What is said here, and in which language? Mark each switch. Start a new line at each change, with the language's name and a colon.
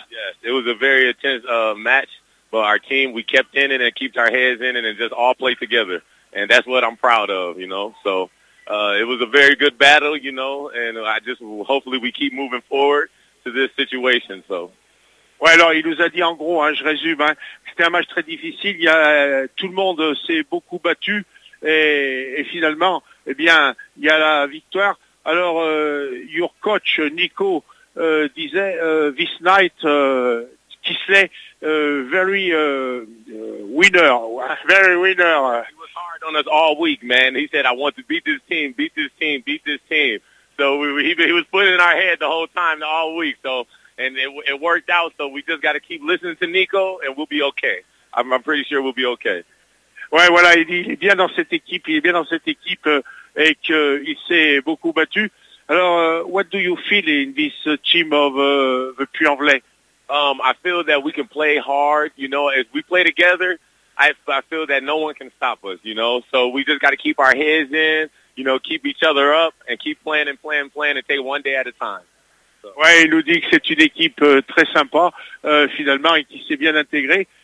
English: Yes, it was a very intense match, but our team, we kept in it and kept our heads in it and just all played together. And that's what I'm proud of, you know. So it was a very good battle, you know, and I just hopefully we keep moving forward to this situation, so.
French: Ouais, alors il nous a dit en gros, hein, je résume, hein, c'était un match très difficile, tout le monde s'est beaucoup battu et finalement, eh bien, il y a la victoire.
English: Alors, your coach Nico
French: disait,
English: this night, Kisley, very winner, very winner. He was hard on us all week, man. He said, I want to beat this team, beat this team, beat this team. So he was putting it in our head the whole time, all week, so. And it worked out, so we just got to keep listening to Nico, and we'll be okay. I'm pretty sure we'll be okay.
French: Ouais, voilà, il est bien dans cette équipe, il est bien dans cette équipe, et qu'il s'est beaucoup battu.
English: Alors, what do you feel in this team of the Puy-en-Velay? I feel that we can play hard, you know. As we play together, I feel that no one can stop us, you know. So we just got to keep our heads in, you know, keep each other up, and keep playing and playing and playing, and take one day at a time.
French: Ouais, il nous dit que c'est une équipe très sympa, finalement, et qui s'est bien intégrée.